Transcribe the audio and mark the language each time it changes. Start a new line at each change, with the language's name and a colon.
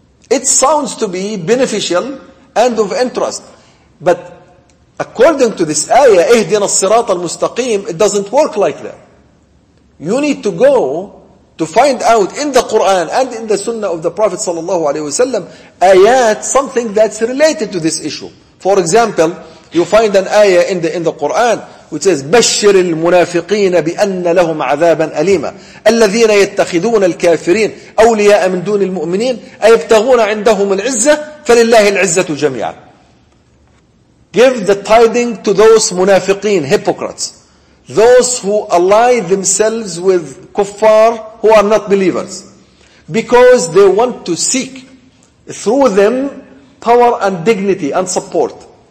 English: It sounds to be beneficial and of interest. But according to this ayah,
Arabic: اِهْدِنَا الصِّرَاطَ الْمُسْتَقِيمِ,
English: it doesn't work like that. You need to go to find out in the Quran and in the Sunnah of the Prophet sallallahu alaihi wasallam ayat, something that's related to this issue. For example, you find an ayah in the Quran which says,
Arabic: بشر المنافقين بأن لهم عذابا أليما الذين يتخذون الكافرين أولياء من دون المؤمنين أيبتغون عندهم العزة فلله العزة جميعا.
English: Give the tiding to those munafiqeen, hypocrites, those who ally themselves with kuffar, who are not believers, because they want to seek through them power and dignity and support.